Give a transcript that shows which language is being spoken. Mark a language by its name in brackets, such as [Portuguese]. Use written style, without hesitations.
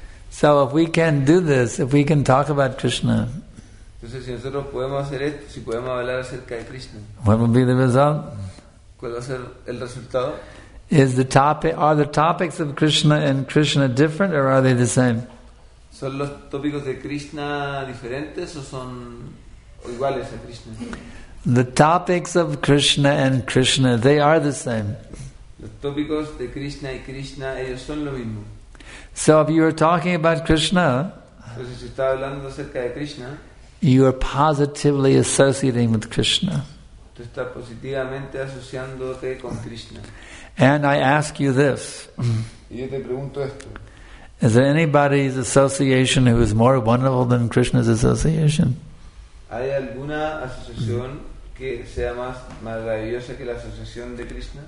[English] So if we can do this, if we can talk about Krishna, [Spanish] entonces, si nosotros podemos hacer esto, si podemos hablar acerca de Krishna, [English] what will be the result? [Spanish] ¿Cuál va a ser el resultado? [English] Are the topics of Krishna and Krishna different or are they the same? [Spanish] ¿Son los tópicos de Krishna diferentes o son iguales a Krishna? [English] The topics of Krishna and Krishna, they are the same. [Spanish] Los tópicos de Krishna y Krishna, ellos son lo mismo. [English] So if you are talking about Krishna, [Spanish] entonces, si está hablando acerca de Krishna, [English] you are positively associating with Krishna. [Spanish] Tú estás positivamente asociándote con Krishna. [English] And I ask you this. [Spanish] Y yo te pregunto esto. [English] Is there anybody's association who is more wonderful than Krishna's association? [Spanish] ¿Hay alguna asociación que sea más maravillosa que la asociación de Krishna?